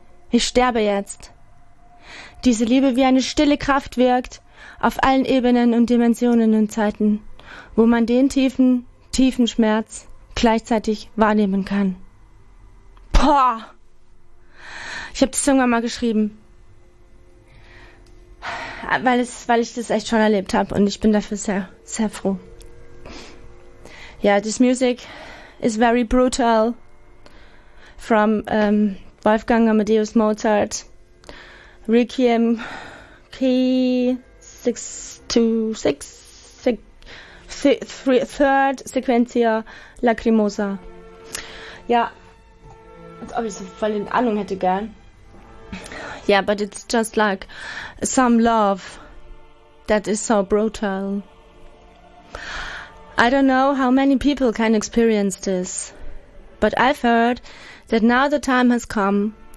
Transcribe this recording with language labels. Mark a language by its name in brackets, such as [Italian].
[German] Ich sterbe jetzt. Diese Liebe wie eine stille Kraft wirkt auf allen Ebenen und Dimensionen und Zeiten, wo man den tiefen, tiefen Schmerz gleichzeitig wahrnehmen kann. Boah! Ich habe das irgendwann mal geschrieben, weil ich das echt schon erlebt habe und ich bin dafür sehr, sehr froh. [English] Ja, this music is very brutal from Wolfgang Amadeus Mozart. Requiem Key 626 3rd Sequenzia Lacrimosa. [German] Ja, als ob ich so voll in Ahnung hätte, gern. [English] Yeah, but it's just like some love that is so brutal. I don't know how many people can experience this, but I've heard that now the time has come.